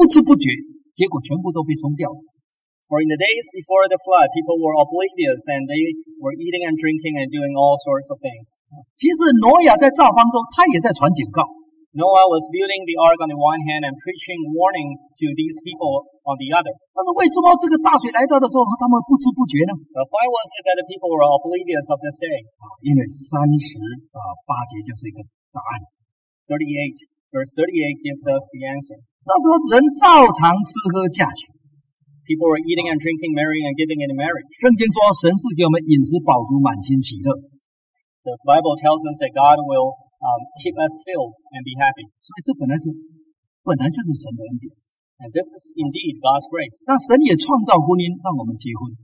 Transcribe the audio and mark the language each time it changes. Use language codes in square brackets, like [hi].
[zh] 不知不觉洪水来了，把他们全都冲去了。这里说啊，洪水来到的时候啊，那个世代的人不知不觉，结果全部都被冲掉了。 [en] For in the days before the flood, people were oblivious and they were eating and drinking and doing all sorts of things. [zh] 其实挪亚在造方舟，他也在传警告。 [en] Noah was building the ark on the one hand and preaching warning to these people on the other. [zh] 但是为什么这个大水来到的时候，他们不知不觉呢？ [en] But why was it that the people were oblivious of this day? [zh] 因为38节就是一个答案。 [en] 38 gives us the answer. [zh] 那时候人照常吃喝嫁娶。 [en] People were eating and drinking, marrying and giving in marriage. [zh] 圣经说，神是给我们饮食饱足，满心喜乐。 [en] The Bible tells us that God will keep us filled and be happy. [zh] 所以这本来就是神的恩典。 [en] And this is indeed God's grace. [zh] 那神也创造婚姻，让我们结婚。